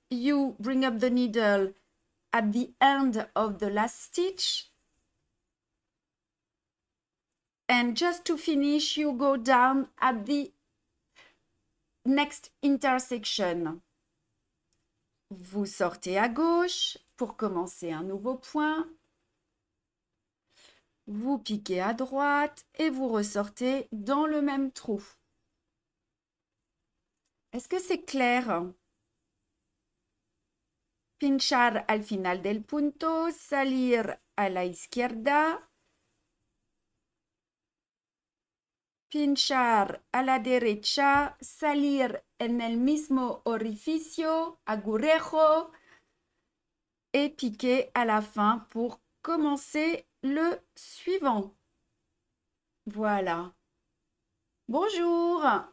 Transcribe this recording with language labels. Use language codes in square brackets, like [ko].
[en] You bring up the needle at the end of the last stitch. And just to finish, you go down at the next intersection. [fr] Vous sortez à gauche pour commencer un nouveau point. Vous piquez à droite et vous ressortez dans le même trou. Est-ce que c'est clair? [es] Pinchar al final del punto, salir à la izquierda. Pinchar a la derecha, salir en el mismo orificio, agujero, [fr] et piquer à la fin pour commencer le suivant. Voilà. Bonjour.